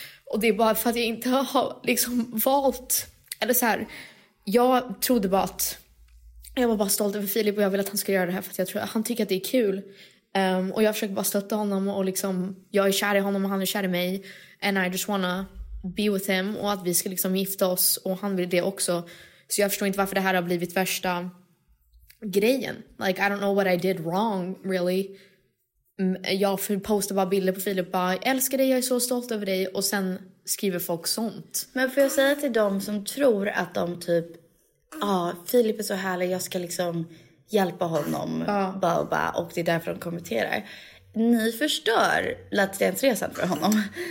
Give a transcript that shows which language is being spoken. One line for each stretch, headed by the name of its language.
Swedish: Och det är bara för att jag inte har liksom valt. Eller så här, jag trodde bara att jag var bara stolt över Filip och jag ville att han skulle göra det här för att jag tror att han tycker att det är kul. Och jag försöker bara stötta honom och liksom, jag är kär i honom och han är kär i mig.
English: And I just wanna be with him
Swedish: och att vi ska liksom gifta oss och han vill det också. Så jag förstår inte varför det här har blivit värsta grejen.
English: Like, I don't know what I did wrong, really.
Swedish: Jag postar bara bilder på Filip. Bara, jag älskar dig, jag är så stolt över dig. Och sen skriver folk sånt. Men får jag säga till dem som tror att de typ, ja, Filip är så härlig, jag ska liksom hjälpa honom. Ja. Bara, och det är därför de kommenterar. ni förstör latinresan för honom.